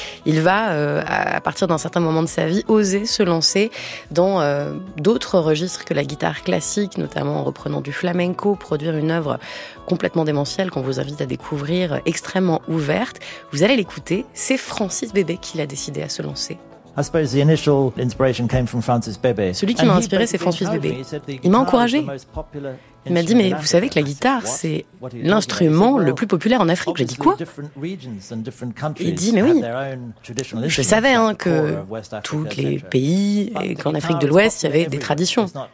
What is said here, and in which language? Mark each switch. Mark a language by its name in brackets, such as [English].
[French] Il va, à partir d'un certain moment de sa vie, oser se lancer dans d'autres registres que la guitare classique, notamment en reprenant du flamenco, produire une œuvre complètement démentielle qu'on vous invite à découvrir, extrêmement ouverte. Vous allez l'écouter, c'est Francis Bébé qui l'a décidé à se lancer. [English] I suppose the initial inspiration came from Francis Bébé. [French] Celui qui m'a inspiré, c'est Francis Bébé. Il m'a encouragé. Il m'a dit, mais vous savez que la guitare, c'est l'instrument le plus populaire en Afrique. J'ai dit, quoi ? Il dit, mais oui, je savais que tous les pays, et qu'en Afrique de l'Ouest, il y avait des traditions.